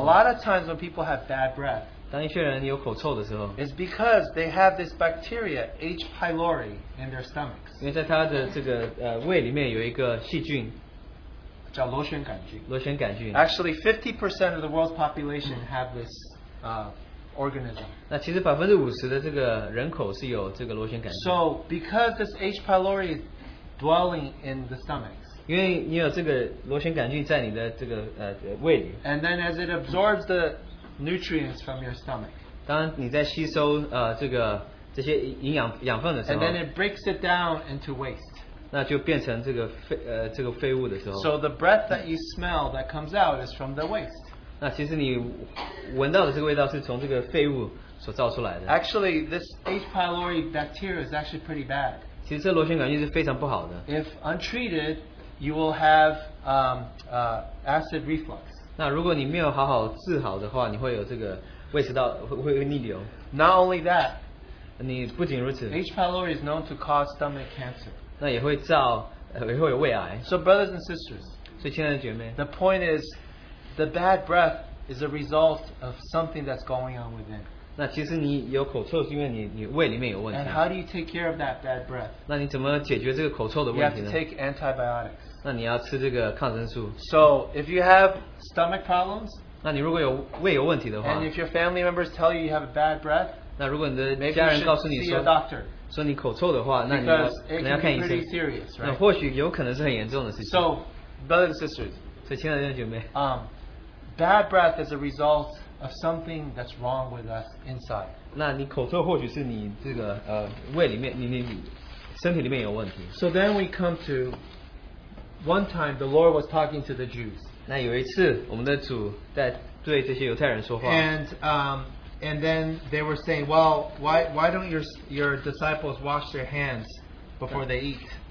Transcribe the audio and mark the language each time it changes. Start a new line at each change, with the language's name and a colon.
English: A lot of times when people have bad breath, it's because they have this bacteria, H. pylori, in their stomachs.
Chinese: 因为在他的这个, 胃里面有一个细菌, 叫螺旋杆菌. 螺旋杆菌.
English: Actually, 50% of the world's population have this organism.
Chinese: 那其实50%的这个人口是有这个螺旋杆菌.
English: So, because this H. pylori dwelling in the stomachs.
Chinese: 因为你有这个螺旋杆菌在你的这个胃里.
English: And then as it absorbs the nutrients from your stomach.
Chinese: 当你在吸收这些养分的时候.
English: And then it breaks it down into waste.
Chinese: 那就变成这个废物的时候.
English: So the breath that you smell that comes out is from the waste.
Chinese: 那其实你闻到的这个味道是从这个废物所造出来的.
English: Actually, this H. pylori bacteria is actually pretty bad. If untreated, you will have acid reflux.
Chinese: 那如果你没有好好治好的话，你会有这个胃食道会逆流.
English: Not only that,
Chinese: 你不仅如此,
English: H. pylori is known to cause stomach cancer.
Chinese: 那也会造，也会有胃癌.
English: So brothers and sisters,
Chinese: 所以亲爱的姐妹,
English: the point is, the bad breath is a result of something that's going on within.
Chinese: 那其实你有口臭是因为你胃里面有问题。
English: And how do you take care of that bad breath?
Chinese: 那你怎么解决这个口臭的问题呢?
English: You have to take antibiotics.
Chinese: 那你要吃这个抗生素。
English: So if you have stomach problems,
Chinese: 那你如果有胃有问题的话,
English: and if your family members tell you you have a bad breath,
Chinese: 那如果你的家人告诉你说你口臭的话, 那你要看医生。那或许有可能是很严重的事情。
English: So, brothers and sisters,
Chinese: 所以亲爱的弟兄姐妹,
English: bad breath is a result of something that's wrong with us inside.
Chinese: 那你口臭或许是你这个, 胃里面,
English: so then we come to one time the Lord was talking to the Jews.
Chinese: 那有一次我们的主在对这些犹太人说话。
English: And then they were saying, well, why don't your disciples wash their hands before they eat?